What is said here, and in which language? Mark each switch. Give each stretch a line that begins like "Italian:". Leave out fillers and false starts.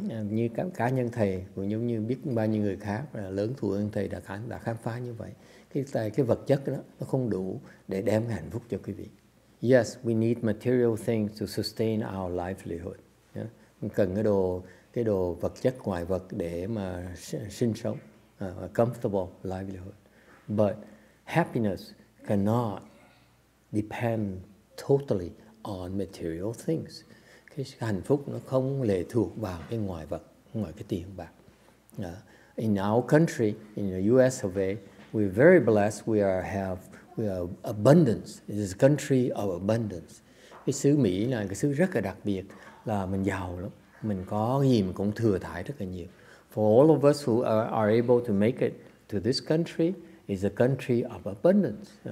Vietnamese: như các cá nhân thầy cũng giống như biết bao nhiêu người khác là lớn thù hơn thầy đã khám phá như vậy, cái vật chất đó nó không đủ để đem hạnh phúc cho quý vị.
English: Yes, we need material things to sustain our livelihood. Yeah.
Vietnamese: Cần cái đồ vật chất ngoại vật để mà sinh sống,
English: a comfortable livelihood. But happiness cannot depend totally on material things.
Vietnamese: Cái hạnh phúc nó không lệ thuộc vào cái ngoại vật, ngoài cái tiền bạc.
English: In our country, in the US of A, we're very blessed, we have abundance. It is a country of abundance.
Vietnamese: Cái xứ Mỹ là cái xứ rất là đặc biệt, là mình giàu lắm. Mình có gì mình cũng thừa thải rất là nhiều.
English: For all of us who are able to make it to this country, it's a country of abundance.